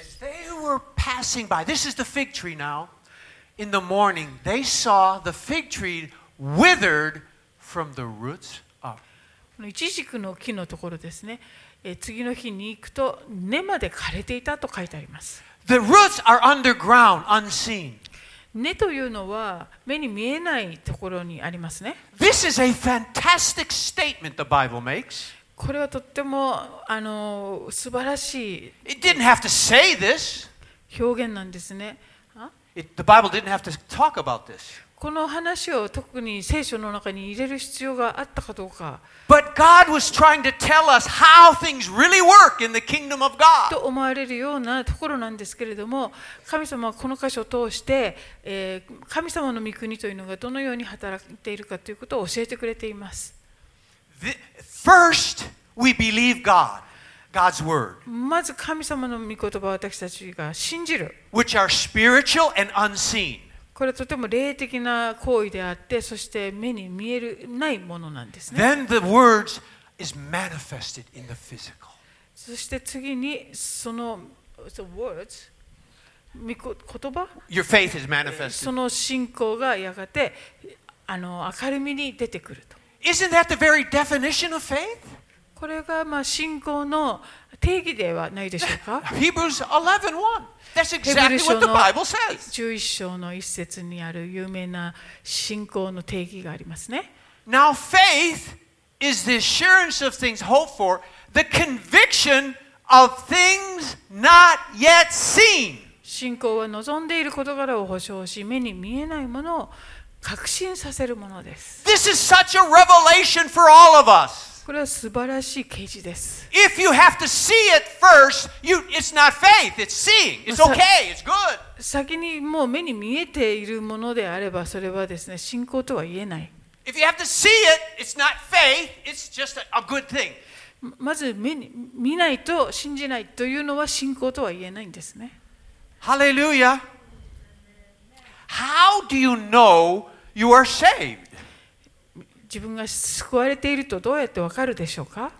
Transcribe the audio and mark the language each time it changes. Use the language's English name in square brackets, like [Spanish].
[English] As they were passing by, this is the fig tree now. In the morning, they saw the fig tree withered from the roots up. [Japanese] このイチジクの木のところですね。次の日に行くと根まで枯れていたと書いてあります。 [English] The roots are underground, unseen. [Japanese] 根というのは目に見えないところにありますね。 [English] This is a fantastic statement the Bible makes. [Japanese] これはとっても素晴らしい。 [English] It didn't have to say this. [Japanese] 表現なんですね。 [English] The Bible didn't have to talk about this. [Japanese] この話を特に聖書の中に入れる必要があったかどうか。 [English] But God was trying to tell us how things really work in the kingdom of God. [Japanese] と思われるようなところなんですけれども、神様はこの箇所を通して、神様の御国というのがどのように働いているかということを教えてくれています。 [English] First, we believe God, God's word. [Japanese] まず神様の御言葉を私たちが信じる。 [English] Which are spiritual and unseen. [Japanese] これはとても霊的な行為であって、そして目に見えないものなんですね。 [English] Then the words is manifested in the physical. [Japanese] そして次にその [English] the words [Japanese] 言葉。 [English] Your faith is manifested. [Japanese] その信仰がやがて明るみに出てくると。 [English] Isn't that the very definition of faith? [Japanese] これがまあ信仰の定義ではないでしょうか。 [English] Hebrews 11:1. That's exactly what the Bible says. [Japanese] 11章の1節にある有名な信仰の定義がありますね。 [English] Now faith is the assurance of things hoped for, the conviction of things not yet seen. [Japanese] 信仰は望んでいる事柄を保証し、目に見えないものを確信させるものです。 [English] This is such a revelation for all of us. [Japanese] これは素晴らしい啓示です。 [English] If you have to see it first, it's not faith, it's seeing. It's okay, it's good. [Japanese] 先にもう目に見えているものであればそれはですね、信仰とは言えない。 [English] If you have to see it, it's not faith, it's just a good thing. [Japanese] まず目に見ないと信じないというのは信仰とは言えないんですね。 [English] Hallelujah. How do you know you are saved? [Japanese] 自分が救われているとどうやってわかるでしょうか？